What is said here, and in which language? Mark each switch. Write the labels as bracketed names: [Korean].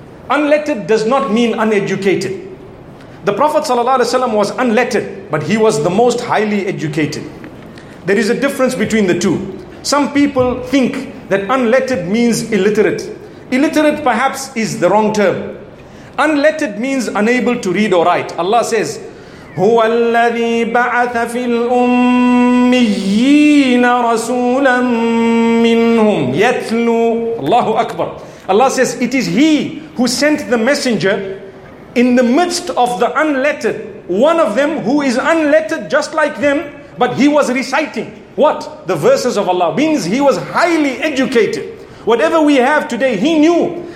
[English] Unlettered does not mean uneducated. The Prophet ﷺ was unlettered, but he was the most highly educated. There is a difference between the two. Some people think that unlettered means illiterate. Illiterate perhaps is the wrong term. Unlettered means unable to read or write. Allah says, [Arabic] هُوَ الَّذِي بَعَثَ فِي الْأُمِّيِّينَ رَسُولًا مِّنْهُمْ يَتْلُو. Allahu Akbar. [English] Allah says, it is He who sent the messenger in the midst of the unlettered. One of them who is unlettered just like them, but he was reciting. What? The verses of Allah. Means he was highly educated. Whatever we have today, he knew.